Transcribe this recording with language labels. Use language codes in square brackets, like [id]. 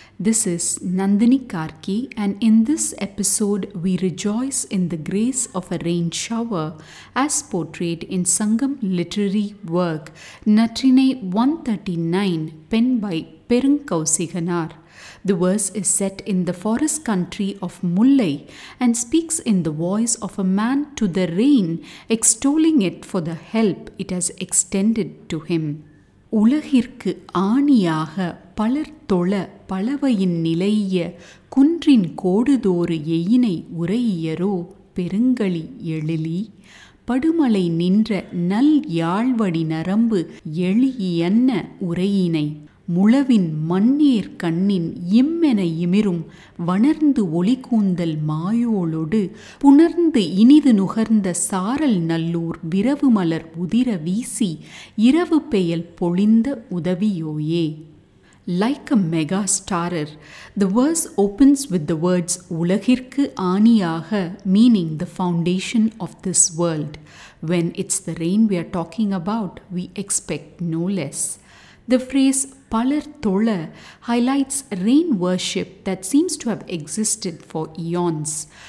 [en] This is Nandini Karki, and in this episode we rejoice in the grace of a rain shower as portrayed in Sangam literary work Natrinai 139 penned by Perungkousikanaar. The verse is set in the forest country of Mullai and speaks in the voice of a man to the rain, extolling it for the help it has extended to him. [ta] உலகிற்கு ஆணியாக பலர் தொழ பலவையின் நிலைய குன்றின் கோடுதோறு எயினை உரையியரோ பெருங்கழி எழிலி படுமலை நின்ற நல் யாழ்வடி நரம்பு எழியன்ன உரையினை முளவின் மண்ணீர் கண்ணின் இம்மென இமிரும் வணர்ந்து ஒளிகூந்தல் மாயோளொடு புணர்ந்து இனிது நுகர்ந்த சாரல் நல்லூர் விரவு மலர் உதிர வீசி இரவு பெயல் பொழிந்த உதவியோயே. [en] Like a mega starer, the verse opens with the words Ulagirku Aaniyaga, meaning the foundation of this world. When it's the rain we are talking about, we expect no less. The phrase Palar Thola highlights rain worship that seems to have existed for eons.